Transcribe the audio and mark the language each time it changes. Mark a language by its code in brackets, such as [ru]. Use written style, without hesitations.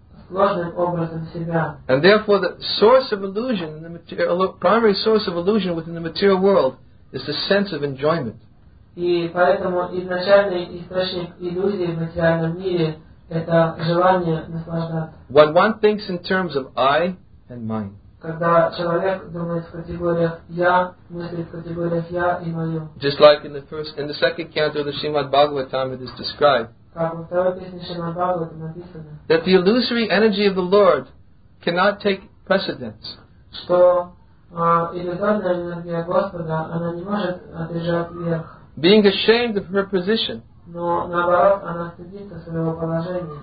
[en] And therefore, the source of illusion, the material, primary source of illusion within the material world, is the sense of enjoyment. [ru] И поэтому изначальный источник иллюзии в материальном мире это желание наслаждаться. [en] When one thinks in terms of I and mine. [ru] Когда человек думает в категориях я, мыслит в категориях я и мое. [en] Just like in the first, in the second canto of the Srimad Bhagavatam, it is described. That the illusory energy of the Lord cannot take precedence. [ru] Что иллюзорная энергия Господа, она не может одержать верх. [en] Being ashamed of her position. [ru] Но наоборот, она стыдится своего положения.